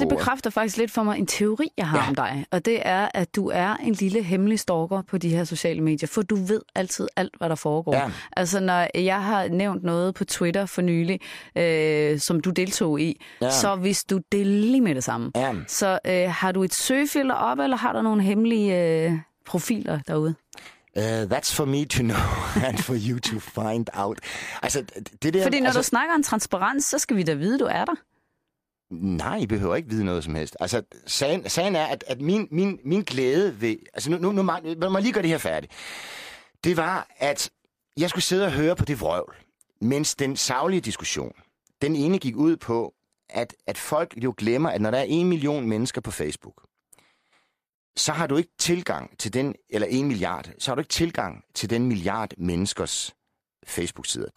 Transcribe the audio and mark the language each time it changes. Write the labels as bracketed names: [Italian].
[Danish] Det der, det bekræfter faktisk lidt for mig en teori, jeg har om dig, og det er, at du er en lille hemmelig stalker på de her sociale medier, for du ved altid alt, hvad der foregår. Ja. Altså, når jeg har nævnt noget på Twitter for nylig, som du deltog i, så hvis du deler med det samme. Ja. Så har du et søgefilter op, eller har du nogle hemmelige profiler derude? [English] That's for me to know and for you to find out. [Danish] Altså, det der, fordi når du snakker om transparens, så skal vi da vide, du er der. Nej, I behøver ikke vide noget som helst. Altså, sagen er, at min glæde ved... Altså, nu må jeg lige gøre det her færdigt. Det var, at jeg skulle sidde og høre på det vrøvl, mens den saglige diskussion, den ene gik ud på, at folk jo glemmer, at når der er 1 million mennesker på Facebook, så har du ikke tilgang til den, eller 1 milliard, så har du ikke tilgang til den milliard menneskers Facebook-sider.